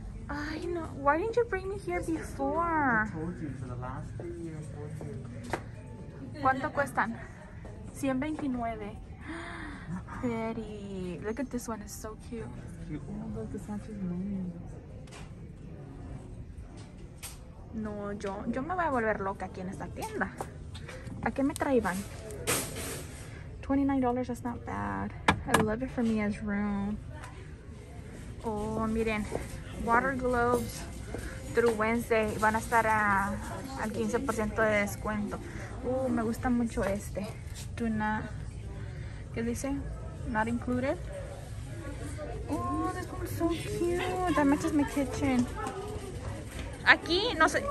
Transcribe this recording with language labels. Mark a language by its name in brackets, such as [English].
[English] I know. Why didn't you bring me here before? I told you for the last 3 years. [Spanish] ¿Cuánto cuestan? 129. [English] Pretty. Look at this one. It's so cute. Oh, look, it's actually [Spanish] no, yo me voy a volver loca aquí en esta tienda. ¿A qué me traían? $29. [English] That's not bad. I love it for me as room. [Spanish] Oh, miren. [English] Water Globes through Wednesday. [Spanish] Van a estar al 15% de descuento. Me gusta mucho este. [English] Do not. [Spanish] ¿Qué dice? [English] Not included. Oh, this one's so cute. That matches my kitchen. [Spanish] Aquí, no sé.